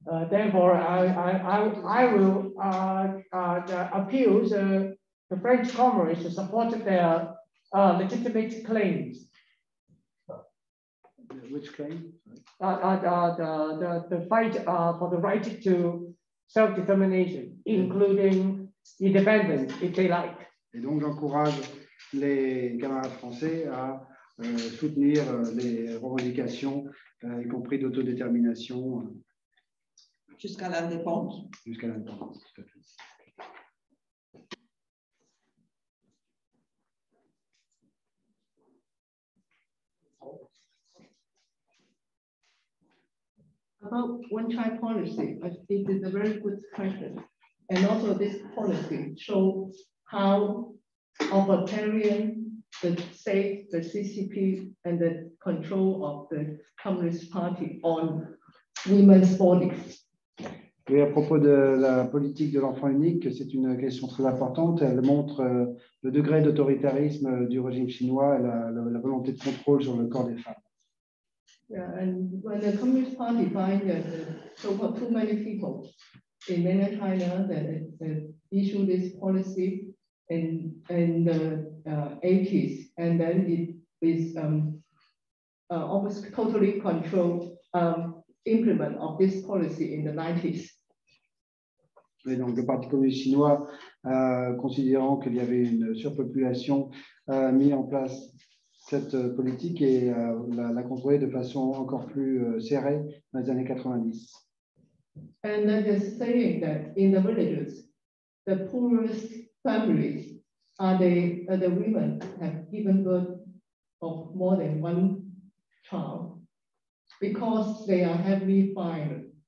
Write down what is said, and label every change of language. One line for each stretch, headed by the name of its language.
English: Therefore, I will appeal the French comrades to support their legitimate claims. Which claim? The fight for the right to self-determination, including independence, if they like.
French: Et donc j'encourage les camarades français à soutenir les revendications, y compris d'autodétermination. Jusqu'à l'indépendance. Jusqu'à l'indépendance.
English: about one China policy. I think it's a very good question. And also this policy show how authoritarian the state, the CCP, and the control of the Communist Party on women's bodies.
French: Et à propos de la politique de l'enfant unique, c'est une question très importante. Elle montre le degré d'autoritarisme du régime chinois et la volonté de contrôle sur le corps des femmes.
English: Yeah, and when the Communist Party find so-called too many people in mainland China that issue this policy in the 80s, and then it is almost totally controlled implement of this policy in the 90s.
French: Et donc le Parti communiste chinois, considérant qu'il y avait une surpopulation, a mis en place cette politique et l'a contrôlée de façon encore plus serrée dans les années 90.
English: And then they're saying that in the villages, the poorest families are the women have given birth of more than one child because they are heavily fired.